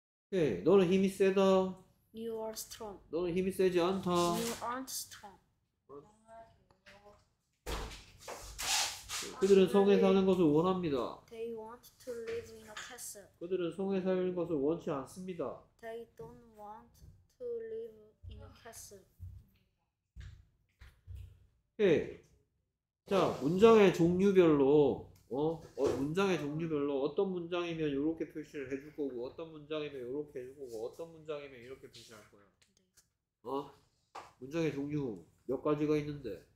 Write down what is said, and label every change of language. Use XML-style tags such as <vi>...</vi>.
<ko>네, 너는 힘이 세다.</ko> <en>You are strong.</en> <ko>너는 힘이 세지 않다.</ko> <en>You aren't strong.</en> <ko>그들은 성에 사는 것을 원합니다.</ko> <en>They want to live in a castle.</en> <ko>그들은 성에 사는 것을 원치 않습니다.</ko> <en>They don't want to live in a castle.</en> <ko>오케이. 자, 문장의 종류별로 문장의 종류별로 어떤 문장이면 이렇게 표시를 해줄 거고 어떤 문장이면 이렇게 해줄 거고 어떤 문장이면 이렇게 표시할 거야. 문장의 종류 몇 가지가 있는데.</ko>